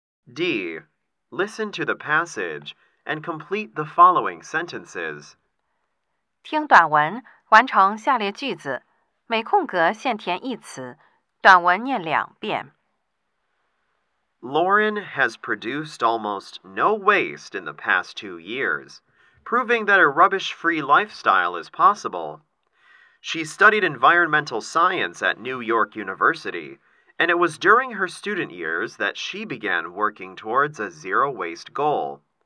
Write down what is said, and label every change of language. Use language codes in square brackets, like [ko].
[en] D. Listen to the passage and complete the following sentences. [zh] 听短文，完成下列句子。每空格限填一词，短文念两遍。 [en] Lauren has produced almost no waste in the past 2 years, proving that a rubbish-free lifestyle is possible. She studied environmental science at New York University, and it was during her student years that she began working towards a zero-waste goal.